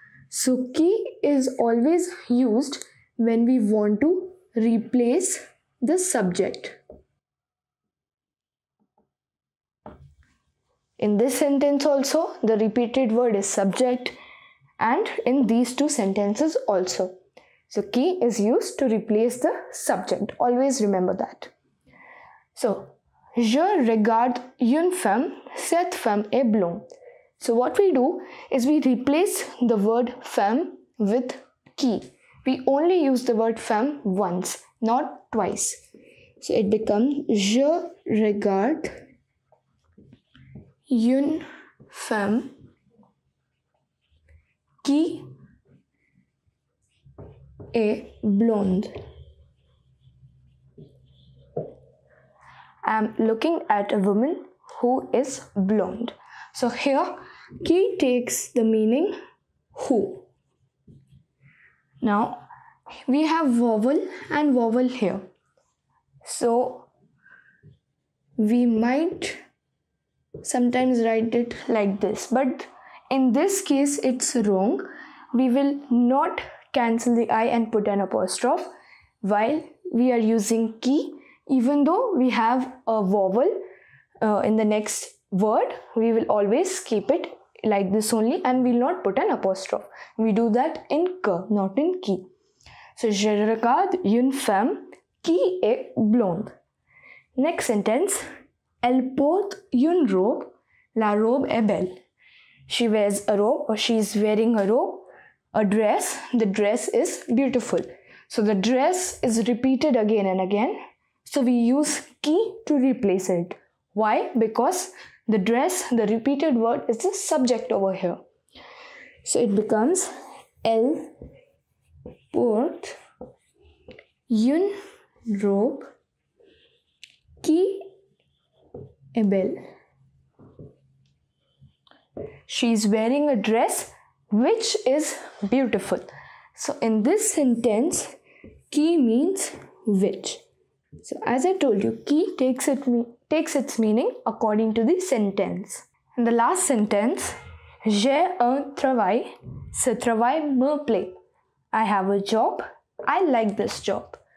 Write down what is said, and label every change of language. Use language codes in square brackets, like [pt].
[en] So, qui is always used when we want to replace the subject. In this sentence also, the repeated word is subject, and in these two sentences also. So, qui is used to replace the subject. Always remember that. [fr] So, je regarde une femme, cette femme est blonde. [en] So, what we do is we replace the word femme with qui. We only use the word femme once, not twice. So it becomes [fr] je regarde une femme qui est blonde. [en] I'm looking at a woman who is blonde. So here, qui takes the meaning who. Now, we have vowel and vowel here. So, we might sometimes write it like this. But in this case, it's wrong. We will not cancel the I and put an apostrophe while we are using qui. Even though we have a vowel in the next word, we will always keep it like this only and we will not put an apostrophe. We do that in que, not in qui. [fr] So, je regarde une femme qui est blonde. [en] Next sentence, [fr] elle porte une robe, la robe est belle. [en] She wears a robe or she is wearing a robe, a dress, the dress is beautiful. So, the dress is repeated again and again. So, we use qui to replace it. Why? Because the dress, the repeated word is the subject over here. So it becomes [fr] elle porte une robe qui est belle. [en] She is wearing a dress which is beautiful. So in this sentence, qui means which. So as I told you, qui takes its meaning according to the sentence. In the last sentence, [fr] j'ai un travail, ce travail me plaît. [en] I have a job, I like this job.